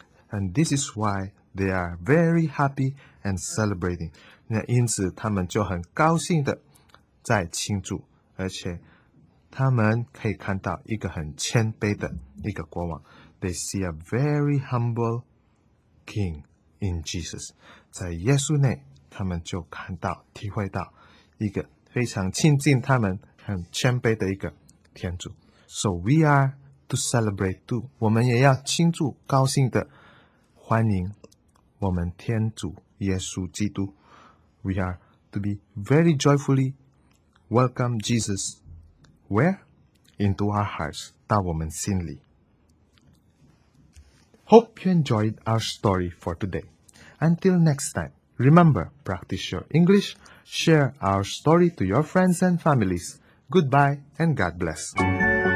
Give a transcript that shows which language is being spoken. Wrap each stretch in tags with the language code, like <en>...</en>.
<en>And this is whyThey are very happy and celebrating.</en> <zh>那因此他们就很高兴的在庆祝，而且他们可以看到一个很谦卑的一个国王。</zh> <en>They see a very humble king in Jesus.</en> <zh>在耶稣内，他们就看到、体会到一个非常亲近他们、很谦卑的一个天主。</zh> <en>So we are to celebrate too.</en> <zh>我们也要庆祝、高兴的欢迎。我们天主耶稣基督</zh> <en>We are to be very joyfully welcome Jesus Where? Into our hearts</en> <zh>到我们心里</zh> <en>Hope you enjoyed our story for today Until next time Remember, practice your English Share our story to your friends and families Goodbye and God bless</en>